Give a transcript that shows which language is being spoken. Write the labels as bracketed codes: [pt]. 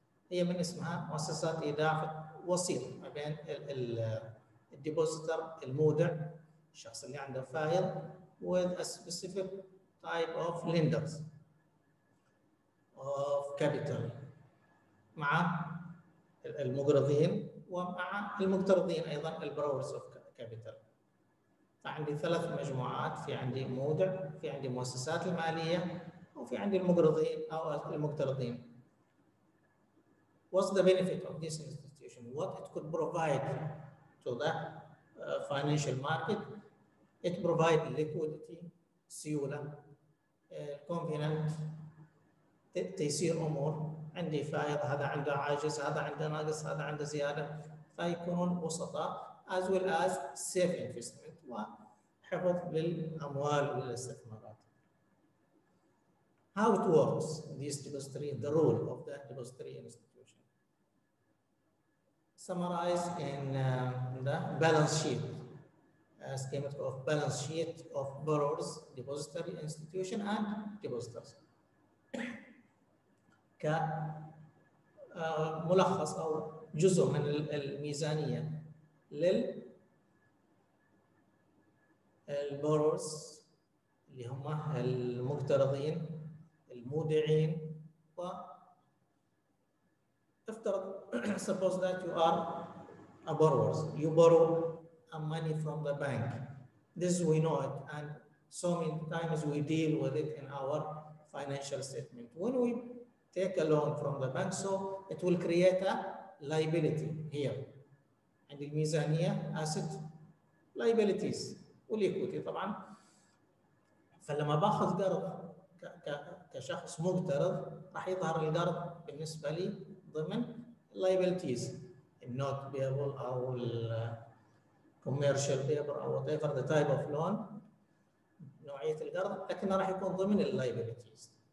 [ar] هي من اسمها مؤسسات إيداع وسيط ما بين الديبوزيتر المودع الشخص اللي عنده فايل [en] with a specific type of lenders of capital [ar] مع المقرضين ومع المقترضين أيضا البروورز of capital. فعندي ثلاث مجموعات، في عندي مودع، في عندي مؤسسات المالية، وفي عندي المقرضين أو المقترضين. [en] What's the benefit of this institution? What it could provide to the financial market? It provides liquidity, سيولة، convenient، [ar] تيسير أمور. عندي فائض، هذا عنده عاجز، هذا عنده ناقص، هذا عنده زيادة، فيكون وسطاء، [en] as well as safe investment، [ar] وحفظ للأموال والاستثمارات. [en] How it works, this depository, the role of the depository institution. Summarize in the balance sheet, schematic of balance sheet of borrowers, depository institution, and depositors. [ar] كملخص أو جزء من الميزانية للبوروس اللي هم المقترضين المودعين. [en] وافترض suppose that you are a borrower, you borrow a money from the bank. This we know it, and so many times we deal with it in our financial statement. When we take a loan from the bank, so it will create a liability here. [ar] عند الميزانية asset liabilities والإيكويتي طبعا. فلما باخذ قرض كشخص مقترض راح يظهر القرض بالنسبة لي ضمن liabilities النوت بيبل أو الكوميرشال بيبل أو [en] whatever the type of loan [ar] نوعية القرض، لكنه راح يكون ضمن liabilities.